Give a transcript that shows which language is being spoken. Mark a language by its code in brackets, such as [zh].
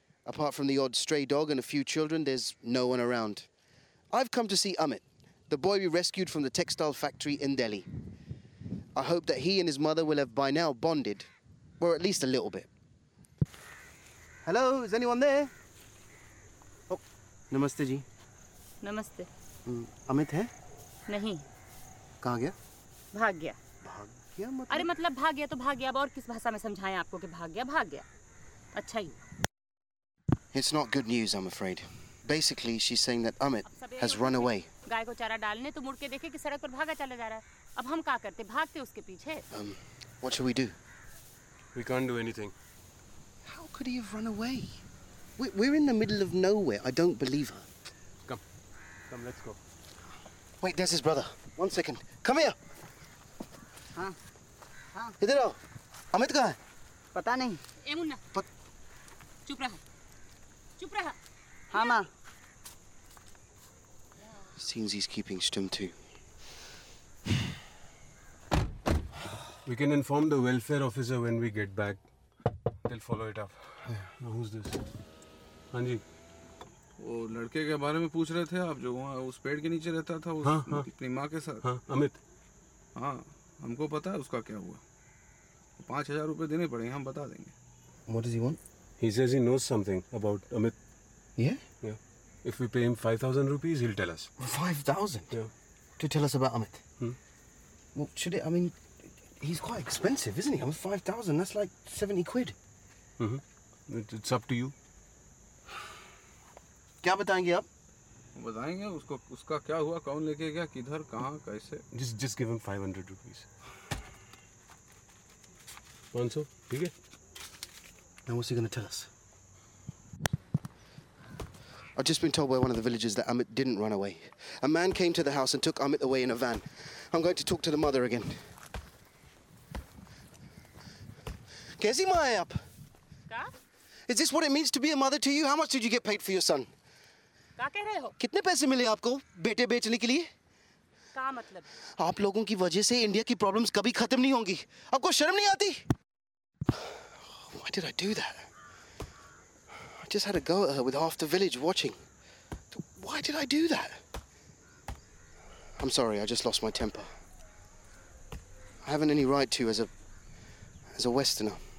[en] Apart from the odd stray dog and a few children, there's no one around. I've come to see Amit, the boy we rescued from the textile factory in Delhi. I hope that he and his mother will have by now bonded, or at least a little bit. Hello, is anyone there? [hi] ओह, नमस्ते जी। Namaste. Amit है? Nahi. कहाँ गया? भाग गया. भाग गया मतलब? अरे मतलब भाग गया तो भाग गया. अब और किस भाषा में समझाएं आपको कि भाग गया, भाग गया. अच्छा ही. [en] It's not good news, I'm afraid. Basically, she's saying that Amit has run away. [hi] गाय को चारा डालने तो मुड़के देखे कि सड़क पर भागा चला जा रहा है. अब हम क्या करते? भागते उसके पीछे. [en] What should we do? We can't do anything. How could he have run away? We're in the middle of nowhere. I don't believe her. Come. Come, let's go. Wait, there's his brother. One second. Come here. Huh? [hi] इधर आओ। अमित कहाँ है? Pata nahi. Ae munna. Chup raha. Chup raha. Haan maa. [en] Seems he's keeping stum too. We can inform the welfare officer when we get back. They'll follow it up. Now who's this? [hi] हाँ जी वो लड़के के बारे में पूछ रहे थे आप जो वहाँ उस पेड़ के नीचे रहता था उस अपनी माँ के साथ हाँ अमित हाँ हमको पता है उसका क्या हुआ 5,000 रुपए देने पड़ेंगे हम बता देंगे [en] What does he want? He says he knows something about Amit. Yeah. Yeah. If we pay him 5,000 rupees, he'll tell us. 5,000. Yeah. To tell us about Amit. Hmm. Well, should it? I mean. He's quite expensive, isn't he? I mean, 5,000, that's like 70 quid. Mm-hmm. It's up to you. [hi] क्या बताएंगे आप? Batayenge, usko, uska kya hua, kaun leke gaya, kidhar, kahan, kaise? [en] Just give him 500 rupees. [hi] 500, theek hai? [en] Now what's he gonna tell us? I've just been told by one of the villagers that Amit didn't run away. A man came to the house and took Amit away in a van. I'm going to talk to the mother again. [hi] कैसी माँ है आप? Ka? [en] Is this what it means to be a mother to you? How much did you get paid for your son? [hi] का कह रहे हो? कितने पैसे मिले आपको बेटे बेचने के लिए? का मतलब? आप लोगों की वजह से India की problems कभी खत्म नहीं होंगी। आपको शर्म नहीं आती? [en] Why did I do that? I just had a go at her with half the village watching. Why did I do that? I'm sorry, I just lost my temper. I haven't any right to as a Westerner.